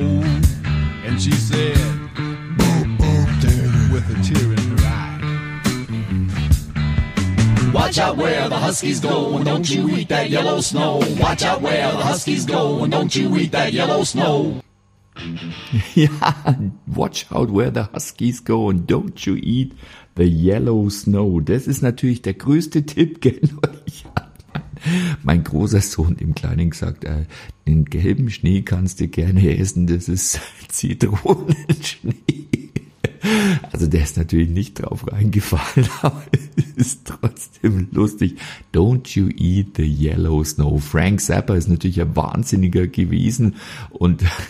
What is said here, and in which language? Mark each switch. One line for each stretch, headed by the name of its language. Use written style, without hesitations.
English: And she said, boop, boop, dang, with a tear in her eye. Watch out where the huskies go and don't you eat that yellow snow. Watch out where the huskies go and don't you eat that yellow snow. Ja, watch out where the huskies go and don't you eat the yellow snow.
German: Das ist natürlich der größte Tipp, gell? Mein großer Sohn im Kleinen gesagt, den gelben Schnee kannst du gerne essen, das ist Zitronenschnee. Also der ist natürlich nicht drauf reingefallen, aber ist trotzdem lustig.
English: Don't you eat the yellow snow.
German: Frank Zappa ist natürlich ein Wahnsinniger gewesen und...